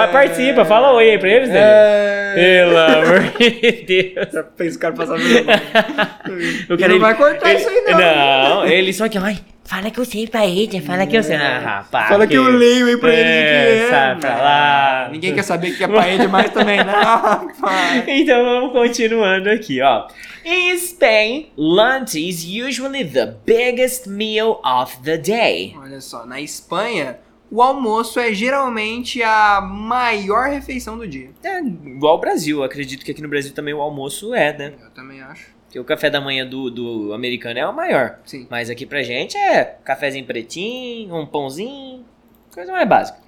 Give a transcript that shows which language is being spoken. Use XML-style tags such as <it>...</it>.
<pt>Participa, fala oi aí pra eles, Danilo. Pelo amor de Deus. Já fez o cara passar no meu. Ele não vai cortar isso aí, não. Não, ele só que, ai, fala que eu sei pra ele, fala que eu sei. Ah, rapaz. Fala que eu leio aí pra ele de que é. Sabe, pra lá. Ninguém quer saber o que é pra ele mais também, né? Ah, então vamos continuando aqui, ó.</pt> <en>In Spain, lunch is usually the biggest meal of the day.</en> <pt>Olha só, na Espanha, o almoço é geralmente a maior refeição do dia. É, igual o Brasil. Acredito que aqui no Brasil também o almoço é, né? Eu também acho. Porque o café da manhã do americano é o maior. Sim. Mas aqui pra gente é cafezinho pretinho, um pãozinho, coisa mais básica.</pt>